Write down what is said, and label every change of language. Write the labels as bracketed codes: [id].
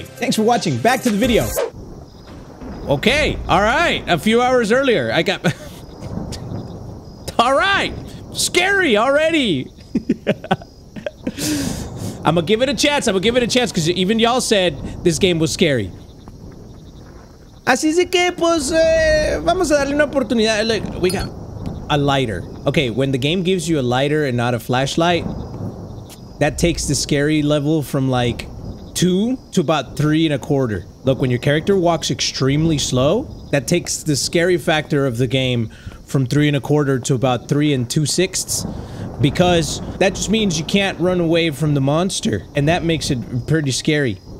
[en] Thanks for watching. Back to the video. Okay, all right, a few hours earlier, I got... all right, scary already! I'm gonna give it a chance, I'm gonna give it a chance, because even y'all said this game was scary. [es] Así es que, pues, vamos a darle una oportunidad. [en] Look, we got a lighter. Okay, when the game gives you a lighter and not a flashlight, that takes the scary level from, like, 2 to about 3 1/4. Look, when your character walks extremely slow, that takes the scary factor of the game from 3 1/4 to about 3 2/6, because that just means you can't run away from the monster, and that makes it pretty scary.